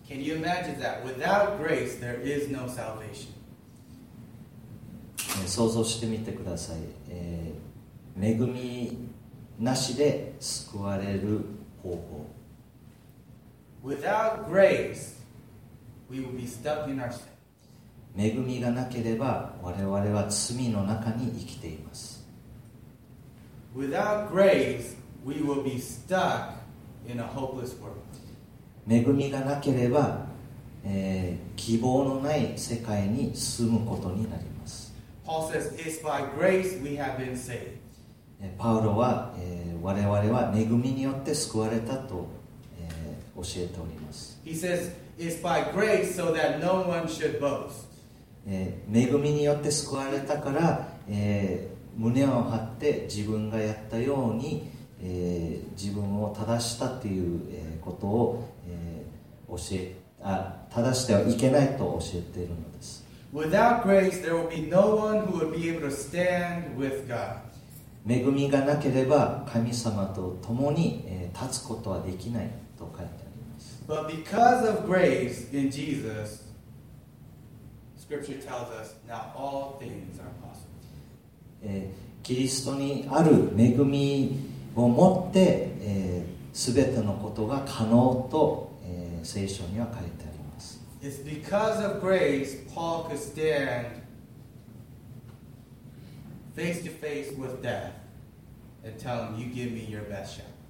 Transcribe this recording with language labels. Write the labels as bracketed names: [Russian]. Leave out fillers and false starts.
[English] Can you imagine that without grace there is no salvation? [Japanese] 想像してみてください、恵みなしで救われる方法。 [English] Without grace we will be stuck in our sin. [Japanese] 恵みがなければ我々は罪の中に生きています。 [English] Without grace, we will be stuck in a hopeless world. [Japanese] 恵みがなければ、希望のない世界に住むことになります。 [English] Paul says, it's by grace we have been saved. [Japanese] パウロは、我々は恵みによって救われたと、教えております。 [English] He says, it's by grace so that no one should boast. [Japanese] 恵みによって救われたから、胸を張って自分がやったように、自分を正したということを、正してはいけないと教えているのです。 [English] Without grace, there will be no one who would be able to stand with God. [Japanese] 恵みがなければ神様と共に、立つことはできないと書いてあります。 [English] But because of grace in Jesus,Scripture tells us now all things are possible. [Japanese] キリストにある恵みを持って、すべてのことが可能と、聖書には書いてあります。 [English] It's because of grace Paul could stand face to face with death and tell him, "You give me your best shot."